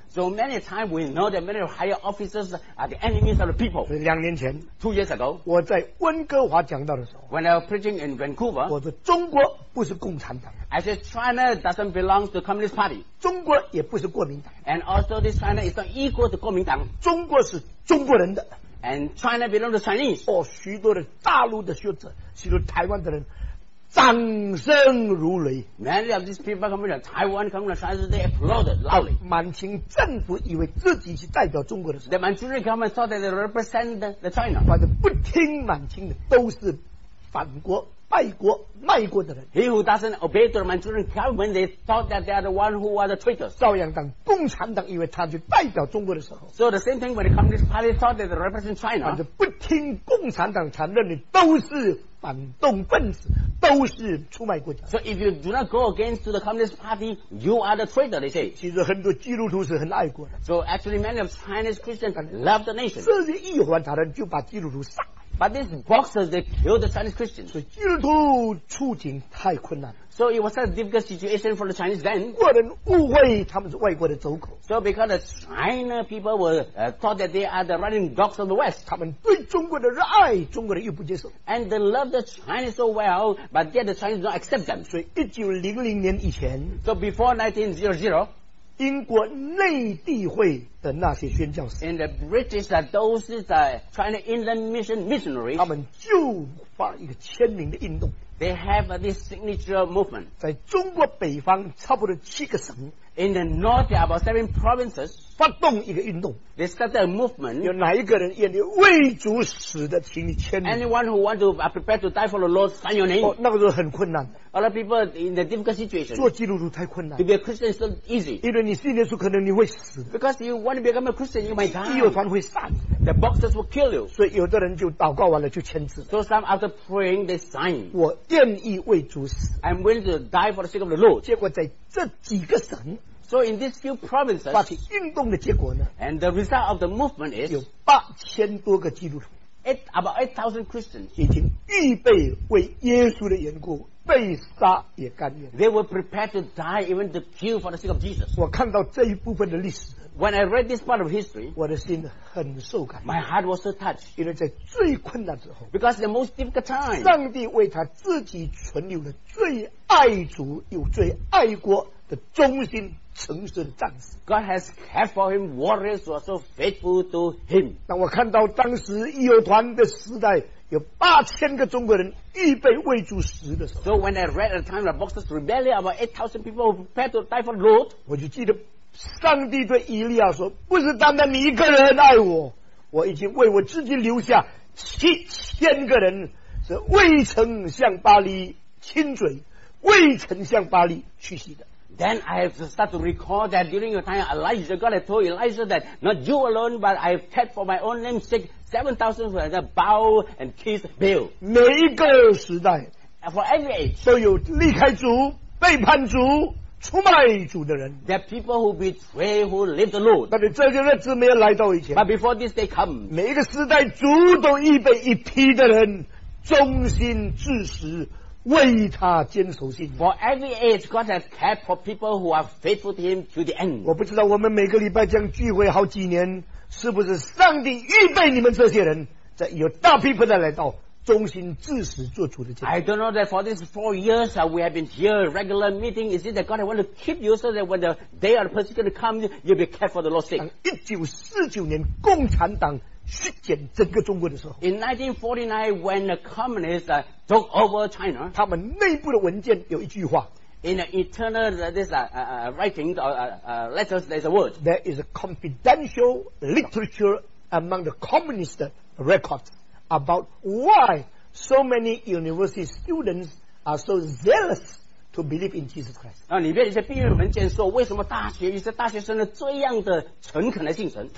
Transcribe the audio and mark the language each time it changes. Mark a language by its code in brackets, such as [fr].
[en] So many times we know that many higher officers are the enemies of the people. [zh] 所以两年前 [en] ,2 years ago, [zh] 我在温哥华讲到的时候 [en] ,when I was preaching in Vancouver, [zh] 我说中国不是共产党。 [en] I said China doesn't belong to the Communist Party. [zh] 中国也不是国民党。 [en] And also this China is not equal to 国民党。 [zh] 中国是中国人的。 [en] And China belongs to Chinese. [zh] 哦，许多的大陆的学者，许多台湾的人掌声如雷。 [en] Many of these people come from Taiwan, come from China, they applauded loudly. [zh] 满清政府以为自己是代表中国的。 [en] The Manchurian government thought that they represent the China. [zh] 反正不听满清的都是反国、败国、卖国的人。 [en] He who doesn't obey the Manchurian government, they thought that they are the one who are the traitors. [zh] 照样当共产党以为他就代表中国的时候。 [en] So the same thing when the Communist Party thought that they represent China. [zh] 反正不听共产党承认的都是反动分子。都是出卖国家。 [en] So if you do not go against the Communist Party, you are the traitor, they say. [zh] 其实很多基督徒是很爱国的。 [en] So actually many of Chinese Christians love the nation. [zh] 这些义和团的人就把基督徒杀。 [en] But these boxers, they killed the Chinese Christians. [zh] 所以基督徒处境太困难了。 [en] So it was a difficult situation for the Chinese then. [zh] 外人误会他们是外国的走狗。 [en] So because the China people were thought that they are the running dogs of the West. [zh] 他们对中国的热爱，中国人又不接受。 [en] And they love the Chinese so well, but yet the Chinese don't accept them. [zh] 所以1900年以前。 [en] So before 1900. [zh] 英国内地会的那些宣教士 [en] and the British are those that China Inland Mission missionaries [zh] 他们就发一个签名的运动 [en] they have this signature movement [zh] 在中国北方差不多七个省 [en] in the north there are about seven provinces [zh] 发动一个运动 [en] they start a movement [zh] 有哪一个人愿意为主死的请你签名 [en] anyone who want to prepare to die for the Lord sign your name [zh] 那个时候很困难 [en] A lot of people in a difficult situation. [zh] 做基督徒太困难。 [en] To be a Christian is not easy. [zh] 因为你信耶稣，可能你会死。 [en] Because you want to become a Christian, you might die. [zh] 义友团会杀你。 [en] The boxers will kill you. [zh] 所以有的人就祷告完了就签字。 [en] So some after praying they sign. [zh] 我愿意为主死。 [en] I'm willing to die for the sake of the Lord. [zh] 结果在这几个省。 [en] So in these few provinces. [zh] 发起运动的结果呢。 [en] And the result of the movement is. [zh] 有八千多个基督徒。 [en] About 8,000 Christians. [zh] 已经预备为耶稣的缘故。被杀也甘愿。 [en] They were prepared to die even to kill for the sake of Jesus. [zh] 我看到这一部分的历史。 [en] When I read this part of history, [zh] 我的心很受感。 [en] My heart was so touched. [zh] 因为在最困难之后。 [en] Because the most difficult time, [zh] 上帝为他自己存留了最爱主又最爱国的忠心诚实的战士。 [en] God has kept for him warriors who are so faithful to him. [zh] 那我看到当时义友团的时代。有八千个中国人预备为主死的时候 [en] So when I read at the time of the Boxers Rebellion about 8,000 people prepared to die for the Lord [zh] 我就记得上帝对以利亚说不是单单你一个人爱我我已经为我自己留下七千个人是未曾向巴黎亲嘴未曾向巴黎屈膝的 [en] Then I have to start to recall that during your time Elijah God had told Elijah that not you alone but I have kept for my own name's sake 7,000 who have bowed and kissed Baal. [zh] 每一个时代 [en] For every age [zh] 都有离开主背叛主出卖主的人 [en] There are people who betray who leave the Lord [zh] 但是这些日子没有来到以前 [en] But before this day comes [zh] 每一个时代主都预备一批的人忠心至死为他坚守信 [en] For every age God has kept for people who are faithful to him to the end [zh] 我不知道我们每个礼拜将聚会好几年是不是上帝预备你们这些人在有大批分的来到忠心至死做主的见证 [en] I don't know that for these 4 years we have been here regular meeting is it that God I want to keep you so that when the day of the persecution comes you'll be kept for the Lord's sake [zh] 1949年共产党席卷整个中国的时候 [en] In 1949 when the communists took over China [zh] 他们内部的文件有一句话 [en] In the internal writing or letters there's a word There is a confidential literature among the communist records about why so many university students are so zealous to believe in Jesus Christ [zh] 里面一些毕业文件说为什么大学一些大学生的这样的诚恳的精神